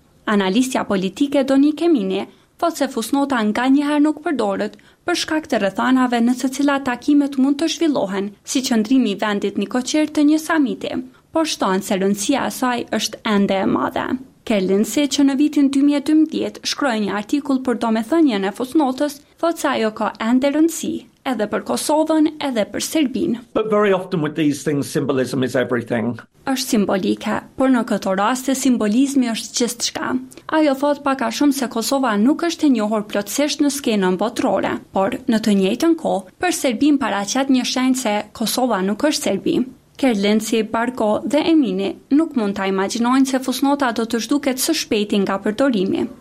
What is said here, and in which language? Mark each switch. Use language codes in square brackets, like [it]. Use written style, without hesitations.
[sq] Analistja politike Doni Kemini thot se fusnota nga njëherë nuk përdoret, për shkak të rrethanave në të cilat takimet mund të zhvillohen, si qëndrimi i vendit Nikoqir të një samiti, por shton se rëndësia e saj është ende e madhe. Kellinsi, që në vitin 2012 shkroi një artikull për domethënien e fusnotës, thotë se ajo ka ende rëndësi, edhe për Kosovën, edhe për Serbinë. [en] But very often with these things symbolism is everything. [sq] Është simbolike, por në këtë rast simbolizmi është gjithçka. Ajo thot pak a shumë se Kosova nuk është e njohur plotësisht në skenën botërore, por në të njëjtën kohë për Serbinë paraqet një shenjë se Kosova nuk është Serbi. Kerlenci, Barko dhe Emini nuk mund ta imagjinojnë se fusnota do të zhduket së shpejti nga përdorimi.